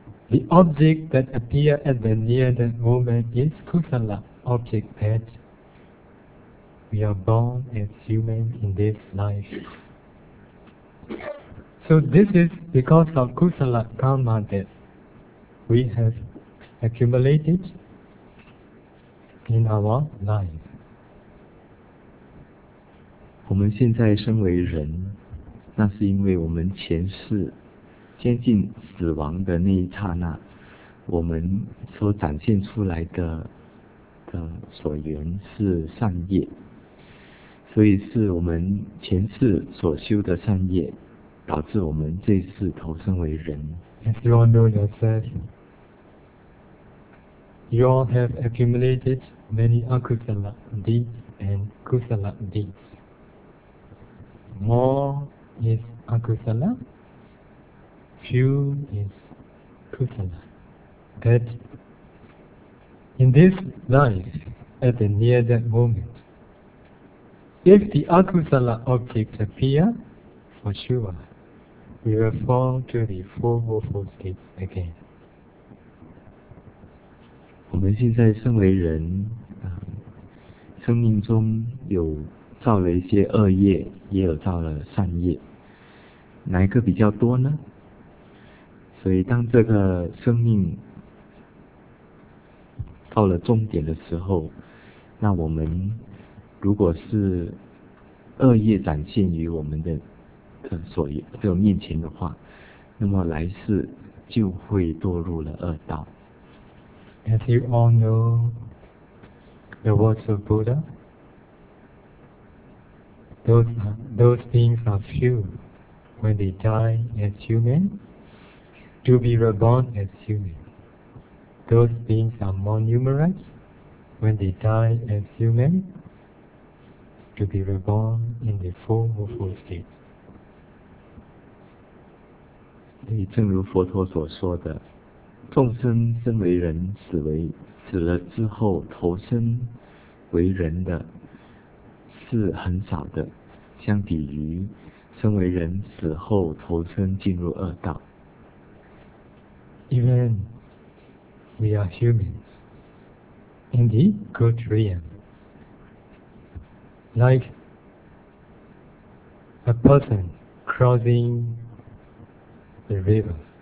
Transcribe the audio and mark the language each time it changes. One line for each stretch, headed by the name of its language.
English: The object that appears at the near that moment is kusala, object that we are born as human in this life. So this is because of kusala karma that we have accumulated in our life.
Chinese: 我们现在身为人，那是因为我们前世接近死亡的那一刹那，我们所展现出来的所缘是善业，所以是我们前世所修的善业，导致我们这次投生为人。
English: As you all know yourself, you all have accumulated many akusala deeds and kusala deeds. More is akusala, few is kusala. But in this life, at the near-death moment, if the akusala objects appear, for sure, we will fall to the four woeful states again.
Chinese: 我们现在身为人，生命中有造了一些恶业，也有造了善业，哪一个比较多呢？所以当这个生命到了终点的时候，那我们如果是恶业展现于我们的所有面前的话，那么来世就会堕入了恶道。
English: As you all know the words of Buddha, those beings are few when they die as human, to be reborn as human. Those beings are more numerous when they die as human, to be reborn in the four woeful states.
Chinese: 所以正如佛陀所说的，众生生为人，死了之后投生为人的是很少的，相比于生为人死后投生进入恶道。
English: Even we are humans in the good realm, like a person crossing the river.